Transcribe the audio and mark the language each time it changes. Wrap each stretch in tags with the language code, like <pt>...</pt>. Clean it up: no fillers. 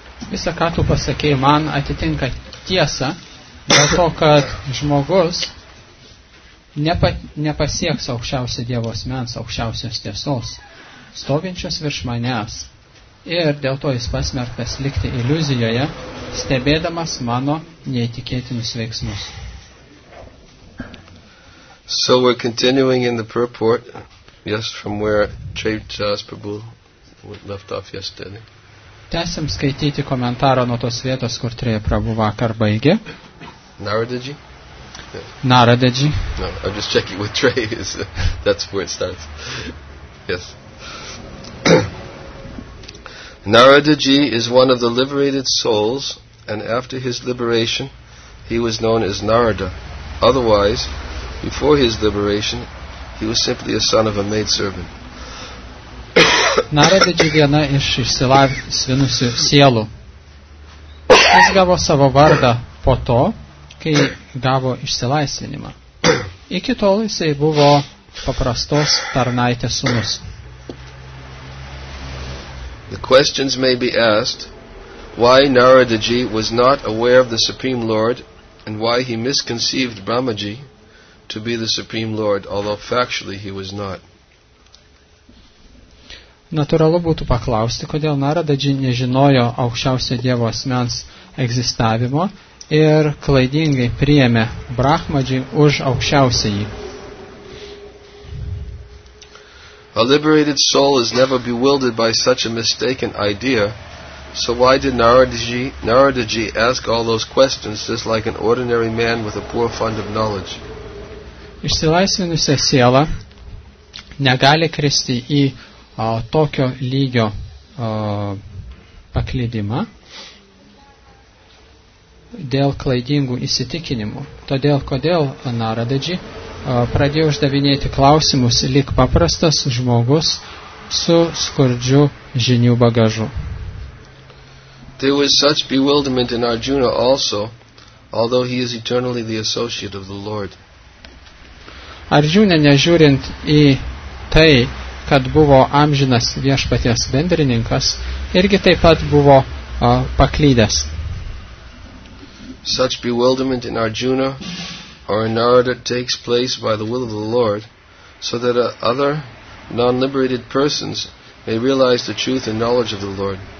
<lt>Visa, ką tu pasakėjai, man atitinka tiesa, dėl to, kad žmogus nepasieks aukščiausio Dievo asmens, aukščiausios tiesos, stovinčios virš manęs, ir dėl to jis pasmerktas likti iliuzijoje, stebėdamas mano neįtikėtinus veiksmus.</lt> <en>So we're continuing in the purport, just from where Chaitanya Prabhu left off yesterday.</en> <lt>Tęsim skaityti komentarą nuo tos vietos, kur Trija Prabhu vakar baigė.</lt> <en>Naradaji? Naradaji. No, I'm just checking with Trey. That's where it starts. Yes. Naradaji is one of the liberated souls, and after his liberation, he was known as Narada. Otherwise, before his liberation, he was simply a son of a maidservant.</en> <lt>Naradaji viena iš išsilavinusių sielų. Jis gavo savo vardą po to, kai gavo išsilaisvinimą. Iki tol jisai buvo paprastos tarnaitės sūnus.</lt> <en>The questions may be asked, why Naradaji was not aware of the Supreme Lord and why he misconceived Brahmaji to be the Supreme Lord, although factually he was not.</en> <lt>Natūralu būtų paklausti, kodėl Naradaji nežinojo aukščiausio Dievo asmens egzistavimo ir klaidingai priėmė Brahmaji už aukščiausiąjį.</lt> <en>A liberated soul is never bewildered by such a mistaken idea, so why did Naradaji ask all those questions just like an ordinary man with a poor fund of knowledge?</en> <lt>Išsilaisvinusią sielą negali kristi į tokio lygio paklydimą dėl klaidingų įsitikinimų. Todėl, kodėl Naradaji pradėjo uždavinėti klausimus lyg paprastas žmogus su skurdžiu žinių bagažu.</lt> <en>There was such bewilderment in Arjuna also, although he is eternally the associate of the Lord.</en> <lt>Arjuna, nežiūrint į tai, kad buvo amžinas viešpaties bendrininkas, irgi taip pat buvo paklydęs.</lt> <en>Such bewilderment in Arjuna or in Narada takes place by the will of the Lord, so that other non-liberated persons may realize the truth and knowledge of the Lord.</en>